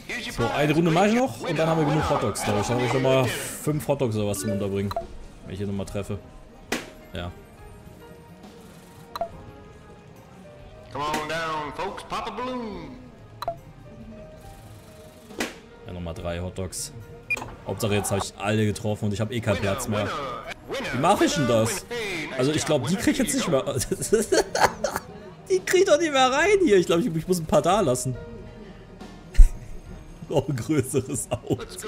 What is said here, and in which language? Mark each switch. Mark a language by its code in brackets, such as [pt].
[de] So, eine Runde mache ich noch und dann haben wir genug Hotdogs. Da habe ich nochmal 5 Hotdogs oder was zum Unterbringen. Wenn ich hier nochmal treffe. Ja. [en] Come on down, folks, pop a balloon. [de] Ja, nochmal 3 Hotdogs. Hauptsache, jetzt habe ich alle getroffen und ich habe eh keinen Platz mehr. Wie mache ich denn das? Also, ich glaube, die kriege ich jetzt nicht mehr. Die kriege ich doch nicht mehr rein hier. Ich glaube, ich muss ein paar da lassen. Ich brauche ein größeres Auto.